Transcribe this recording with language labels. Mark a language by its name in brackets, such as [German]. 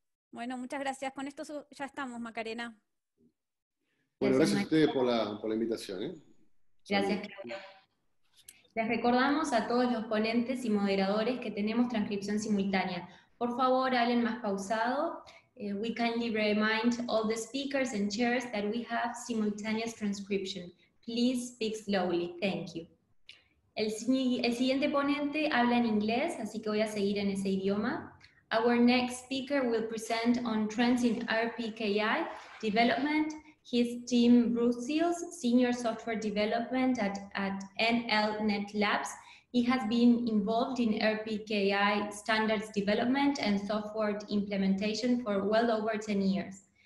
[Spanish] Bueno, muchas gracias. Con esto ya estamos, Macarena. Bueno, gracias a ustedes por la invitación. Gracias, Claudia. Les recordamos a todos los ponentes y moderadores que tenemos transcripción simultánea. Por favor, hablen más pausado. [English] We kindly remind all the speakers and chairs that we have simultaneous transcription. Please speak slowly. Thank you. [Spanish] El siguiente ponente habla en inglés, así que voy a seguir en ese idioma. [English] Our next speaker will present on trends in RPKI development. He's Tim Brusils, Senior Software Development at NL Net Labs. He has been involved in RPKI standards development and software implementation for well over 10 years.